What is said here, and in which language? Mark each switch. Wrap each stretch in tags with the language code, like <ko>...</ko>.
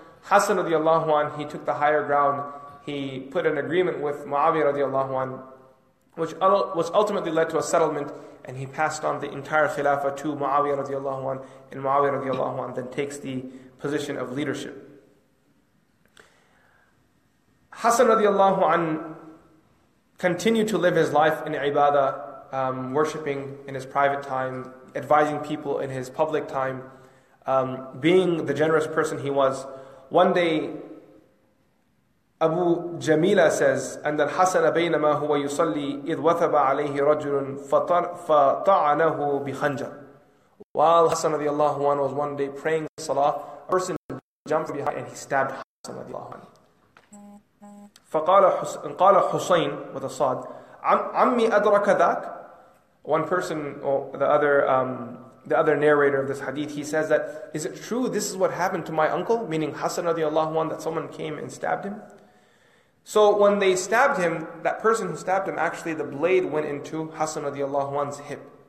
<en>Hassan radiallahu anhu, he took the higher ground. He put an agreement with Muawiyah radiallahu anhu, which ultimately led to a settlement, and he passed on the entire khilafah to Muawiyah radiallahu anhu, and Muawiyah radiallahu anhu then takes the position of leadership. Hassan radiallahu anhu continued to live his life in ibadah, worshipping in his private time, advising people in his public time, being the generous person he was. One day, Abu Jamila says,</en> <ar>أَنَّ الْحَسَنَ بَيْنَمَا هُوَ يُصَلِّي إِذْ وَثَبَ عَلَيْهِ رَجُلٌ فَطَعَنَهُ بِخَنْجَرٍ.</ar> <en>While Hassan radiallahu anhu was one day praying salah, a person jumped behind and he stabbed Hassan radiallahu anhu. فَقَالَ حُسَيْنَ with a sad, عَمِّي أَدْرَكَ ذَاكَ. One person, or the other narrator of this hadith, he says that, is it true this is what happened to my uncle, meaning Hassan radiallahu anhu, that someone came and stabbed him? So when they stabbed him, that person who stabbed him, actually the blade went into Hassan radiallahu anhu's hip.</en>